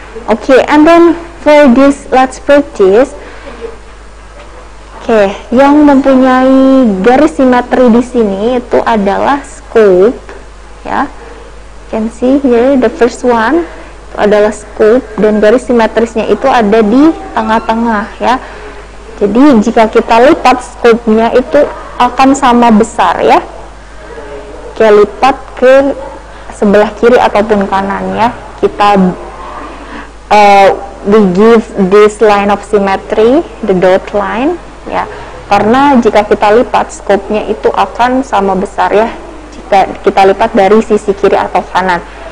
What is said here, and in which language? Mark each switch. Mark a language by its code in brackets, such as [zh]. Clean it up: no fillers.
[en] Okay, and then for this, let's practice. [id] Oke, yang mempunyai garis simetri di sini itu adalah scope, ya. [en] Can see here the first one [id] itu adalah scope dan garis simetrisnya itu ada di tengah-tengah, ya. Jadi jika kita lipat scope-nya itu akan sama besar, ya. Kita lipat ke sebelah kiri ataupun kanan, ya. Kita [en] we give this line of symmetry, the dot line. [id] Ya, karena jika kita lipat scope-nya itu akan sama besar ya jika kita lipat dari sisi kiri atau kanan.